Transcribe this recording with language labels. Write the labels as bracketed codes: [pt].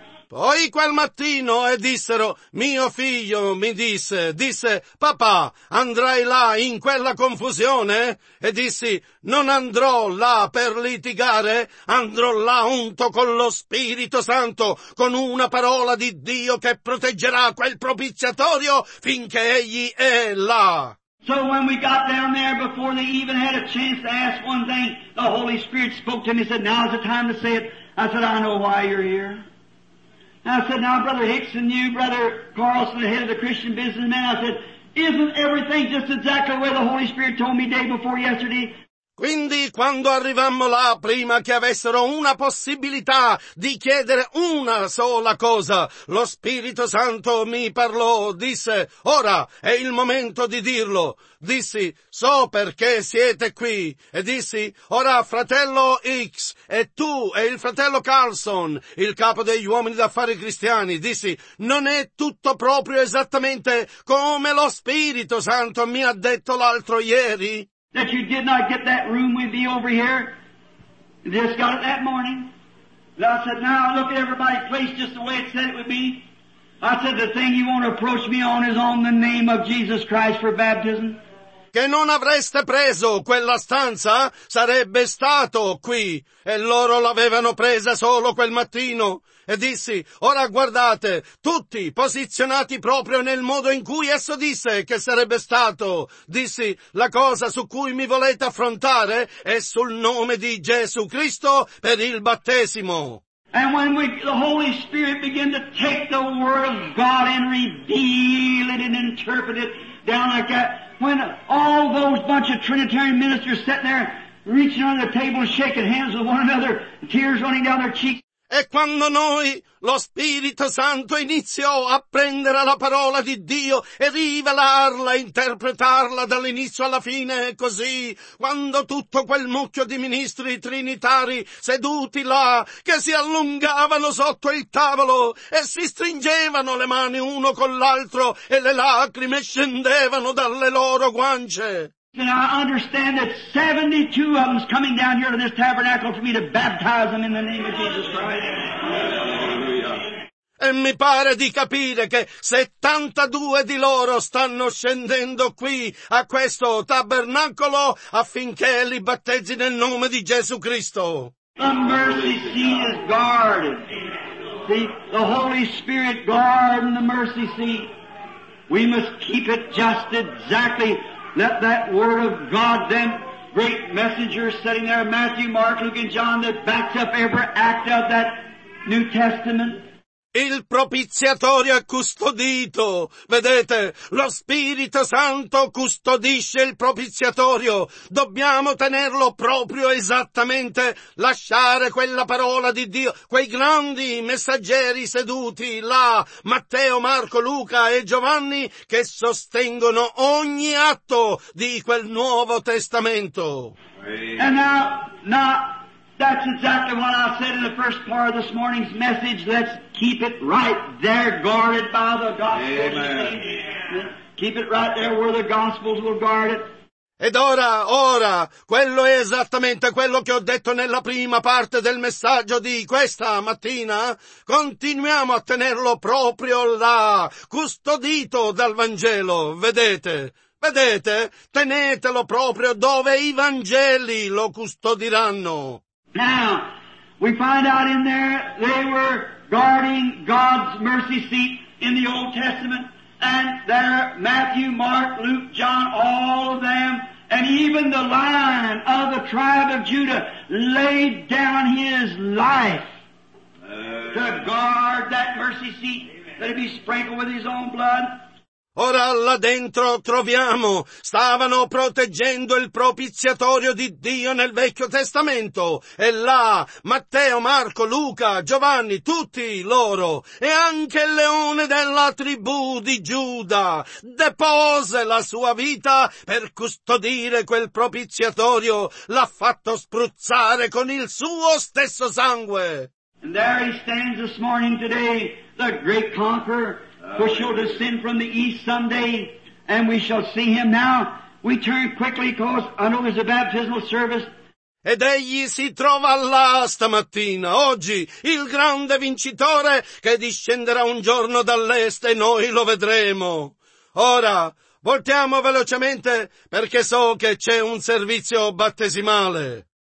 [it] Poi quel mattino e dissero, mio figlio mi disse, papà, andrai là in quella confusione? E dissi, non andrò là per litigare, andrò là unto con lo Spirito Santo, con una parola di Dio che proteggerà quel propiziatorio finché egli è là. [en] So when we got down there, before they even had a chance to ask one thing, the Holy Spirit spoke to me and said, now's the time to say it. I said, I know why you're here. I said, now, Brother Hicks and you, Brother Carlson, the head of the Christian business, man, I said, isn't everything just exactly where the Holy Spirit told me day before yesterday? [it] Quindi quando arrivammo là, prima che avessero una possibilità di chiedere una sola cosa, lo Spirito Santo mi parlò, disse, ora è il momento di dirlo. Dissi, so perché siete qui. E dissi, ora fratello X e tu e il fratello Carlson, il capo degli uomini d'affari cristiani, dissi, non è tutto proprio esattamente come lo Spirito Santo mi ha detto l'altro ieri? [en] That you did not get that room with me over here. Just got it that morning. And I said, now look at everybody's place just the way it said it would be. I said, the thing you want to approach me on is on the name of Jesus Christ for baptism. [it] Che non avreste preso quella stanza sarebbe stato qui. E loro l'avevano presa solo quel mattino. E dissi, ora guardate, tutti posizionati proprio nel modo in cui esso disse che sarebbe stato. Dissi, la cosa su cui mi volete affrontare è sul nome di Gesù Cristo per il battesimo. [en] And when we, the Holy Spirit began to take the Word of God and reveal it and interpret it down like that, when all those bunch of Trinitarian ministers sitting there reaching under the table and shaking hands with one another, tears running down their cheeks. [it] E quando noi, lo Spirito Santo iniziò a prendere la parola di Dio e rivelarla, interpretarla dall'inizio alla fine, così, quando tutto quel mucchio di ministri trinitari seduti là, che si allungavano sotto il tavolo e si stringevano le mani uno con l'altro e le lacrime scendevano dalle loro guance. [en] And I understand that 72 of them's coming down here to this tabernacle for me to baptize them in the name of Jesus Christ. [it] E mi pare di capire che 72 di loro stanno scendendo qui a questo tabernacolo affinché li battezzi nel nome di Gesù Cristo. [en] The mercy seat is guarded. The Holy Spirit guarding the mercy seat. We must keep it just exactly. Let that word of God, them great messengers sitting there, Matthew, Mark, Luke and John, that backs up every act of that New Testament. [it] Il propiziatorio è custodito. Vedete, lo Spirito Santo custodisce il propiziatorio. Dobbiamo tenerlo proprio esattamente, lasciare quella parola di Dio. Quei grandi messaggeri seduti là, Matteo, Marco, Luca e Giovanni, che sostengono ogni atto di quel Nuovo Testamento. [en] And now, that's exactly what I said in the first part of this morning's message. Let's keep it right there, guarded by the gospel. Amen. Keep it right there where the gospels will guard it. [it] Ed ora, quello è esattamente quello che ho detto nella prima parte del messaggio di questa mattina. Continuiamo a tenerlo proprio là, custodito dal Vangelo, vedete? Vedete? Tenetelo proprio dove i Vangeli lo custodiranno. [en] Now, we find out in there they were guarding God's mercy seat in the Old Testament, and there Matthew, Mark, Luke, John, all of them, and even the lion of the tribe of Judah laid down his life to guard that mercy seat, let it be sprinkled with his own blood. [it] Ora là dentro troviamo, stavano proteggendo il propiziatorio di Dio nel Vecchio Testamento, e là Matteo, Marco, Luca, Giovanni, tutti loro, e anche il leone della tribù di Giuda, depose la sua vita per custodire quel propiziatorio, l'ha fatto spruzzare con il suo stesso sangue. [en] And there he stands this morning today, the great conqueror, who shall descend from the east someday, and we shall see him now. We turn quickly, cause I know there's a baptismal service. [it] Ed egli si trova là stamattina, oggi, il grande vincitore che discenderà un giorno dall'est e noi lo vedremo. Ora, voltiamo velocemente perché so che c'è un servizio battesimale.